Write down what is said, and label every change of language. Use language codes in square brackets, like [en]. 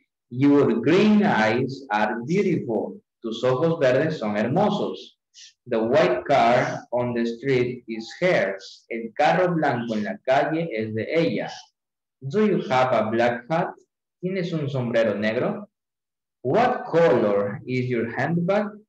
[en] Your green eyes are beautiful. [es] Tus ojos verdes son hermosos. [en] The white car on the street is hers. [es] El carro blanco en la calle es de ella. [en] Do you have a black hat? [es] ¿Tienes un sombrero negro? [en] What color is your handbag?